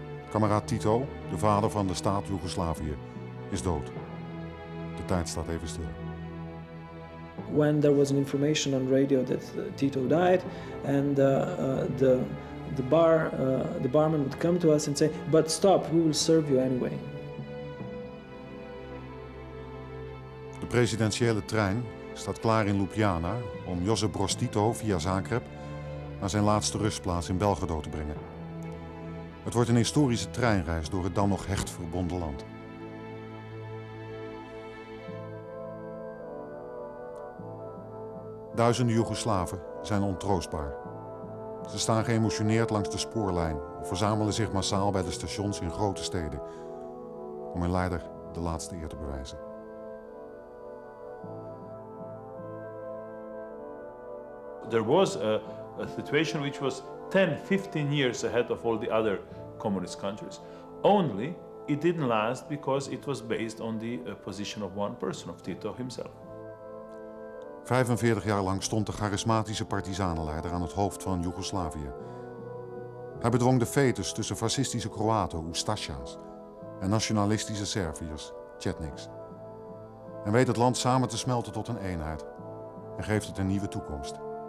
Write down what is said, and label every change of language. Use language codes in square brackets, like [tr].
[nl] Kameraad Tito, de vader van de staat Joegoslavië, is dood. De tijd staat even stil. [en] When there was an information on radio that Tito died, and the barman would come to us and say, "But stop, we will serve you anyway." [nl] De presidentiële trein staat klaar in Ljubljana om Josip Broz Tito via Zagreb naar zijn laatste rustplaats in Belgrado te brengen. Het wordt een historische treinreis door het dan nog hecht verbonden land. Duizenden Joegoslaven zijn ontroostbaar. Ze staan geëmotioneerd langs de spoorlijn of verzamelen zich massaal bij de stations in grote steden om hun leider de laatste eer te bewijzen. [en] There was a situation which was 10, 15 years ahead of all the other communist countries. Only it didn't last because it was based on the position of one person, of Tito himself. [nl] 45 jaar lang stond de charismatische partisanenleider aan het hoofd van Joegoslavië. Hij bedwong de fetus tussen fascistische Kroaten, Ustasja's, en nationalistische Serviërs, Chetniks. En weet het land samen te smelten tot een eenheid en geeft het een nieuwe toekomst.